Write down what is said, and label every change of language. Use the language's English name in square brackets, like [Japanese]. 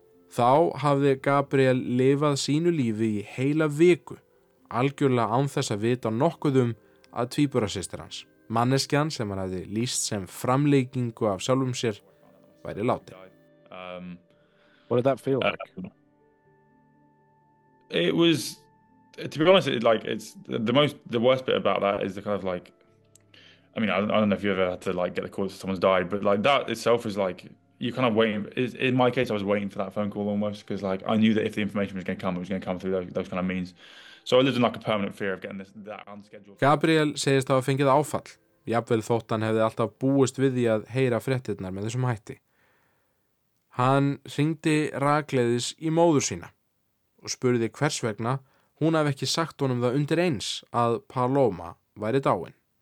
[Icelandic] Þá hafði Gabriel lifað sínu lífi í heila viku, algjörlega án þess að vita nokkuð að tvíburasystir hans, manneskjan sem hann hafði lýst sem framleikingu af sjálfum sér, væri látið. [English] What did that feel like? It was, to be honest, it's the worst bit about that is the kind of like, I mean, I don't know if you ever had to like get the call that someone's died, but like that itself is like, you kind of waiting. In my case, I was waiting for that phone call almost because, like, I knew that if the information was going to come, it was going to come through those kind of means. So I lived in like a permanent fear of getting that unscheduled. [Icelandic] Gabriel segist að hafa fengið áfall. Jafnvel þótt hann hefði alltaf búist við því að heyra fréttirnar með þessum hætti. Hann hringdi rakleiðis í móður sína og spurði hvers vegna hún hafi ekki sagt honum það undir eins að Paloma væri dáin.